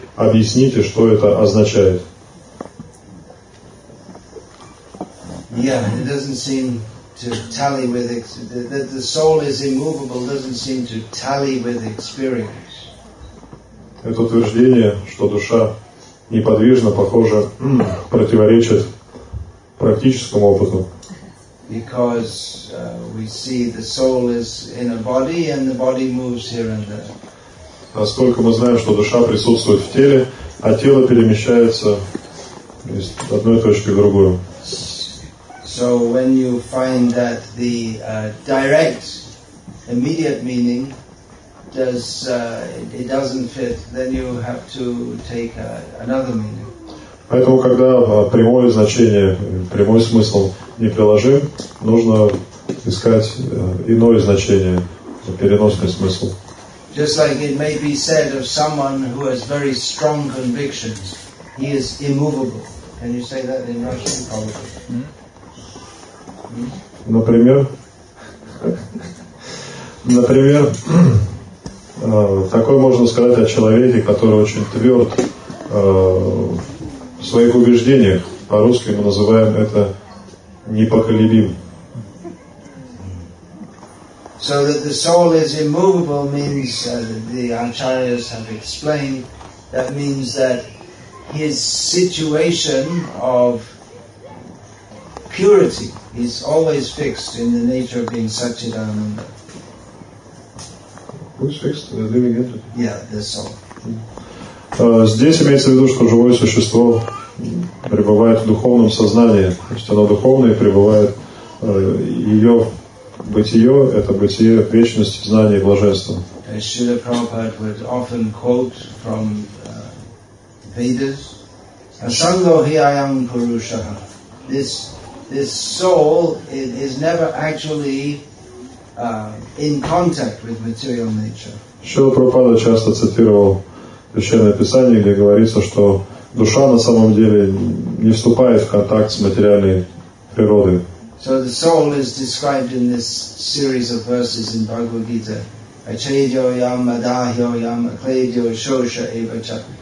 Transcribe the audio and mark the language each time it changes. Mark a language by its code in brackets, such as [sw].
[ru] Объясните, что это означает. [en] Yeah, it doesn't seem to tally with that the soul is immovable doesn't seem to tally with experience. [ru] Это утверждение, что душа неподвижна, похоже, противоречит практическому опыту. [en] Because we see the soul is in a body and the body moves here and there. [ru] Поскольку мы знаем, что душа присутствует в теле, а тело перемещается из одной точки в другую. [en] So when you find that the direct, immediate meaning does it doesn't fit, then you have to take another meaning. [ru] Поэтому, когда прямое значение, прямой смысл не приложим, нужно искать иное значение, переносный смысл. [en] Just like it may be said of someone who has very strong convictions, he is immovable. Can you say that in Russian? Probably. [ru] Например, такое можно сказать о человеке, который очень тверд в своих убеждениях. По-русски мы называем это непоколебим. [en] So that the soul is immovable means, the Acharyas have explained, that means that his situation of purity is always fixed in the nature of being Satchidananda. Who's fixed? The living entity? Yeah, the soul. [ru] Здесь имеется в виду, что живое существо пребывает в духовном сознании. То есть оно духовное и пребывает. Ее бытие – это бытие вечности, знания и блаженства. [en] Шрила Прабхупада would often quote from Vedas, Asango Hiyayam Purushaha. This soul is never actually in contact with material nature. [ru] Шрила Прабхупада часто цитировал Священное Писание, где говорится, что душа на самом деле не вступает в контакт с материальной природой. [en] So the soul is described in this series of verses in Bhagavad Gita. [sa] Achedyo yam adahyo yam akledyo shosha eva cha.